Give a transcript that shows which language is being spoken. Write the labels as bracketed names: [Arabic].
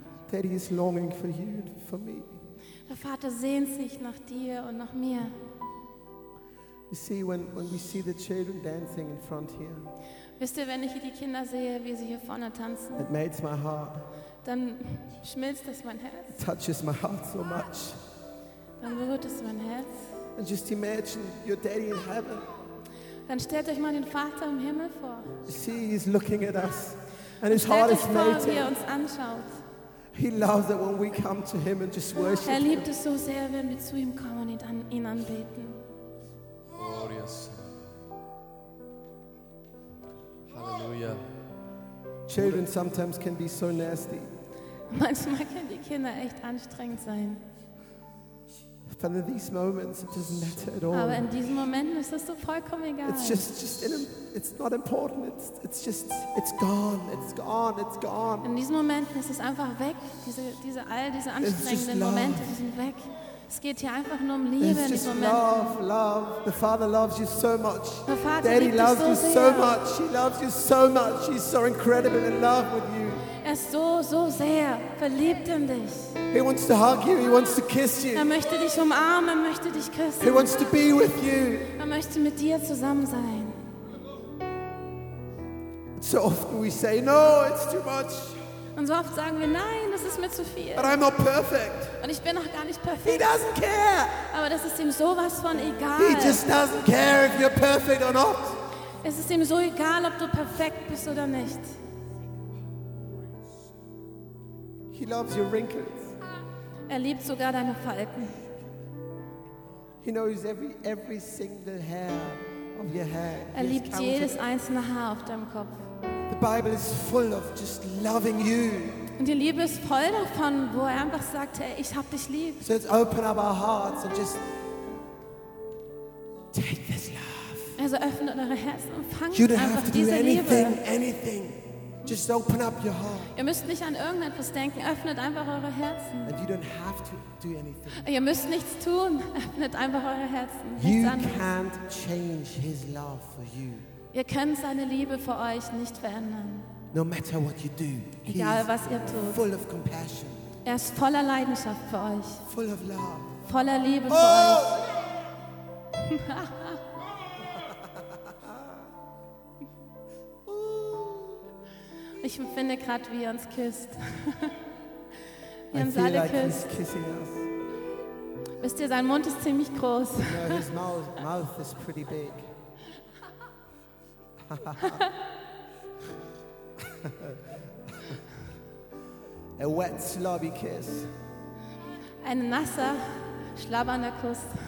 [English] Daddy is longing for you and for me. [German] Der Vater sehnt sich nach dir und nach mir. [English] You see, when we see the children dancing in front here, [German] wisst ihr, wenn ich hier die Kinder sehe, wie sie hier vorne tanzen, [English] it melts my heart. [German] Dann schmilzt es mein Herz. [English] It touches my heart so much. [German] Dann berührt es mein Herz. [English] And just imagine your daddy in heaven. [German] Dann stellt euch mal den Vater im Himmel vor. [English] See, he's looking at us, and his heart is melting. [German] Stellt euch vor, wie er uns anschaut. [English] He loves it when we come to him and just worship him. [German] Er liebt es so sehr, wenn wir zu ihm kommen und ihn anbeten. [English] Glorious. Hallelujah. Children sometimes can be so nasty. [German] Manchmal können die Kinder echt anstrengend sein. [English] But in these moments, it doesn't matter at all. [German] Aber in diesen Momenten ist das so vollkommen egal. [English] It's just in a, it's not important. It's just, it's gone. It's gone. It's gone. [German] In diesen Momenten ist es einfach weg. Diese all diese anstrengenden Momente, die sind weg. Es geht hier einfach nur um Liebe. [English] It's just love, love. The Father loves you so much. [German] Der Vater [English] Daddy [German] liebt [English] loves [German] dich so [English] you [German] sehr. [English] So much. He loves you so much. He's so incredible in love with you. [German] Er ist so, so sehr verliebt in dich. [English] He wants to hug you. He wants to kiss you. [German] Er möchte dich umarmen. Er möchte dich küssen. [English] He wants to be with you. [German] Er möchte mit dir zusammen sein. [English] So often we say, no, it's too much. [German] Und so oft sagen wir, nein, das ist mir zu viel. [English] But I'm not perfect. [German] Und ich bin noch gar nicht perfekt. [English] He doesn't care. [German] Aber das ist ihm sowas von egal. [English] He just doesn't care if you're perfect or not. [German] Es ist ihm so egal, ob du perfekt bist oder nicht. [English] He loves your wrinkles. [German] Er liebt sogar deine Falten. [English] He knows every single hair of your head. [German] Er liebt jedes einzelne Haar auf deinem Kopf. [English] The Bible is full of just loving you. [German] Und die Liebe ist voll davon, wo er einfach sagt, hey, ich hab dich lieb. [English] So let's open up our hearts and just take this love. [German] Also öffnet eure Herzen und fangt einfach diese Liebe. [English] You don't have to do anything. Just open up your heart. [German] Ihr müsst nicht an irgendetwas denken, öffnet einfach eure Herzen. [English] And you don't have to do anything. [German] Ihr müsst nichts tun, öffnet einfach eure Herzen. [English] You can't change his love for you. [German] Ihr könnt seine Liebe für euch nicht verändern. [English] No matter what you do, [German] egal was ihr tut. [English] Full of compassion. [German] Er ist voller Leidenschaft für euch. [English] Full of love. [German] Voller Liebe oh! für euch. Ich empfinde gerade, wie er uns küsst. Wir uns alle küssen. Wisst ihr, sein Mund ist ziemlich groß. [English] No, his mouth is pretty big. A wet, sloppy kiss. [German] Ein nasser, schlabbernder Kuss.